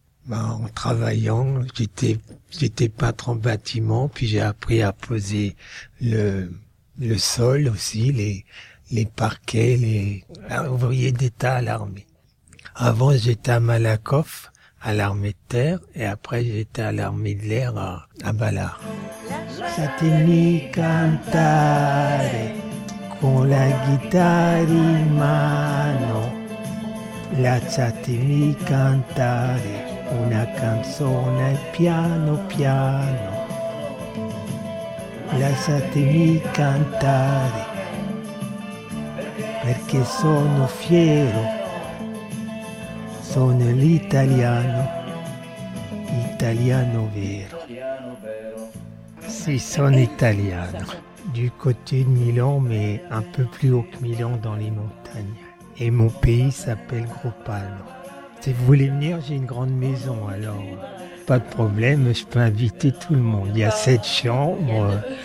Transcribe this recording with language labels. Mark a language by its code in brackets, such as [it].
[fr] Ben, en travaillant, j'étais peintre en bâtiment, puis j'ai appris à poser le sol aussi, les parquets, les ouvriers d'État à l'armée. Avant, j'étais à Malakoff, à l'armée de terre, et après, j'étais à l'armée de l'air à Ballard. [it] Satimi cantare. Con la chitarra in mano, lasciatemi cantare una canzone piano piano. Lasciatemi cantare, perché sono fiero, sono l'italiano, italiano vero. Sì, sono italiano. [fr] Du côté de Milan, mais un peu plus haut que Milan, dans les montagnes. Et mon pays s'appelle Groppalma. Si vous voulez venir, j'ai une grande maison, alors pas de problème, je peux inviter tout le monde. Il y a 7 chambres.